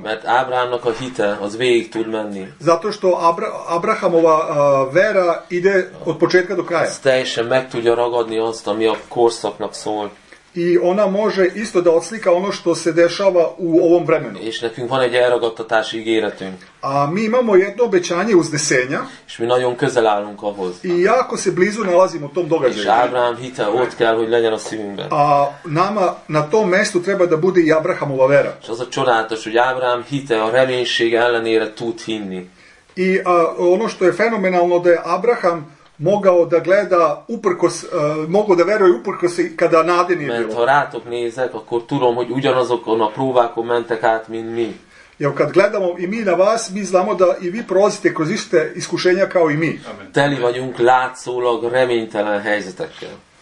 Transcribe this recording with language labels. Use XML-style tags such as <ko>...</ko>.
<hu>Mert Ábrahámnak a hite az végig tud menni.</hu> <sr>Zato što Abrahamova vera ide od početka do kraja.</sr> <hu>Ezt teljesen meg tudja ragadni azt, ami a korszaknak szól.</hu> <sr>I ona može isto da odslika ono što se dešava u ovom vremenu.</sr> <hu>És nekünk van egy elragadtatási ígéretünk.</hu> <sr>A mi imamo jedno obećanje uznesenja.</sr> <hu>És mi nagyon közel állunk ahhoz.</hu> <sr>I jako se blizu nalazimo tom događaju.</sr> <hu>És Abraham hita ott kell, hogy legyen a szívünkben.</hu> <sr>A nama na tom mestu treba da bude i Abrahamova vera.</sr> <hu>És az a csodálatos, hogy Abraham hite a reménység ellenére tud hinni.</hu> <sr>I ono što je fenomenalno da je Abraham mogao da gleda uprkos mogao da veruje uprkos kada nade nije bilo.</sr> <hu>Mert ha rátok nézek, akkor tudom, hogy ugyanazokon a próbákon mentek át, mint mi.</hu> <sr>Jel, kad gledamo i mi na vas, mi znamo da i vi prolazite kroz iste iskušenja kao i mi.</sr> <hu>Amen. Teli vagyunk látszólag reménytelen helyzetekkel.</hu>